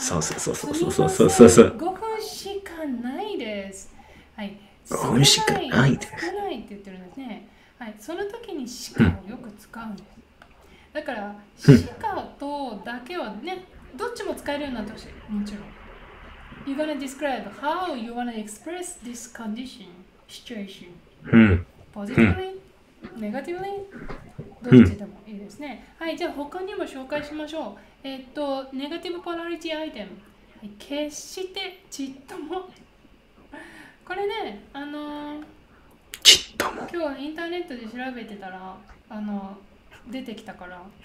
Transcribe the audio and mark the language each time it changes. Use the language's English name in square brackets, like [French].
[Japanese] そうそうそうそうそうそうそうそうそう。五分しかないです。はい。五分しかないです。少ないって言ってるんですね。はい。その時にしかをよく使うんです。だからしかとだけはね、どっちも使えるようになってほしい。もちろん。 [English] You're gonna describe how you wanna express this condition, situation. Positively, negatively, [Japanese] どっちでもいいですね。はい、じゃあ他にも紹介しましょう。ネガティブポラリティアイテム。決してちっとも。これね、ちっとも。今日インターネットで調べてたら、出てきたから。